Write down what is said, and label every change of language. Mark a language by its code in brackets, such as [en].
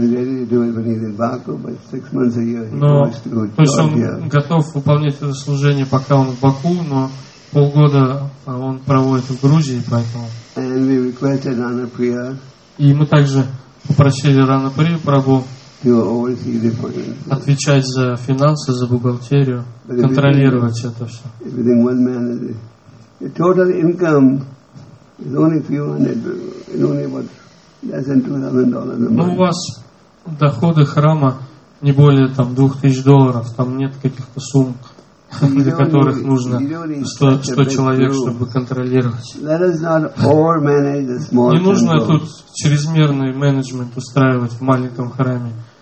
[ru] то есть он готов выполнять это служение, пока он в Баку, но полгода он проводит в Грузии, поэтому. [en] And we requested Ranapriya. [ru] И мы также попросили Ранаприю Прабу отвечать за финансы, за бухгалтерию, контролировать это все. [en] Everything one man is. The total income is only few hundred, only about less than $2,000 a month. [ru] Но у вас доходы храма не более там $2,000, там нет каких-то сумм, для которых нужно 100 человек, чтобы контролировать. Не нужно тут чрезмерный менеджмент устраивать в маленьком храме.